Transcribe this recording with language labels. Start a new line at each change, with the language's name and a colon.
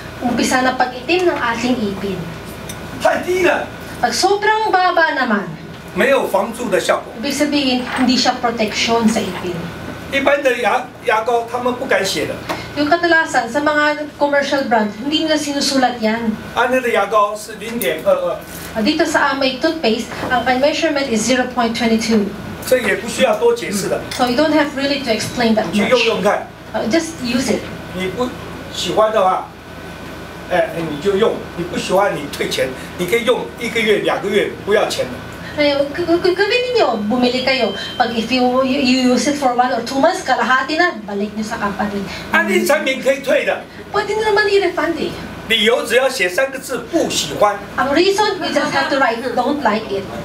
Filipino: Umpisa na pag-itim ng ating ipin.
Chinese: 太低了。
Filipino: Pag sobrang baba naman.
Chinese: 没有防蛀的效果。
Filipino: Ibig sabihin, hindi siya protection sa ipin.
Chinese: 一般的牙膏他们不敢写的。
Filipino: Yung kadalasan sa mga commercial brand, hindi nila sinusulat 'yan. Ano 'yung yagaw sa dinde? Dito sa Amay toothpaste, ang measurement is 0.22.
Chinese: 所以也不需要多解释的.
English: So you don't have really to explain that much.
Chinese: 你用用看.
English: Just use it.
Chinese: 你不喜欢的话, 你就用, 你不喜欢你退钱, 你可以用一个月, 两个月, 不要钱的.
Filipino: Gawin ninyo, bumili kayo. Pag
English: if you use it for 1 or 2 months,
Filipino: kalahati na, balik nyo sa company. Anong sabihin kayo tuloy na? Pwede nyo naman i-refund eh.
Chinese: 理由只要写三个字, 不喜欢.
English: Ang reason, we just have to write, don't like it.